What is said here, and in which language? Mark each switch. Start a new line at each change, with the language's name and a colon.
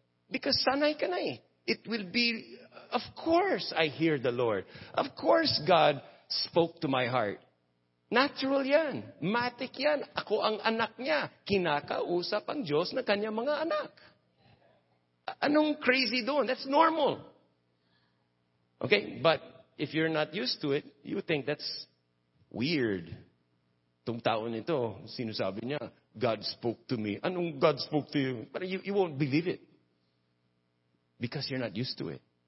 Filipino: Because sanay ka na eh.
English: It will be, of course I hear the Lord. Of course God spoke to my heart.
Filipino: Natural yan. Matik yan. Ako ang anak niya. Kinakausap ang Diyos na kanyang mga anak. Anong crazy doon?
English: That's normal. Okay? But if you're not used to it, you think that's weird.
Filipino: Tung taon ito, sinasabi niya,
English: God spoke to me.
Filipino: Anong
English: God spoke to you? But you won't believe it. Because you're not used to it.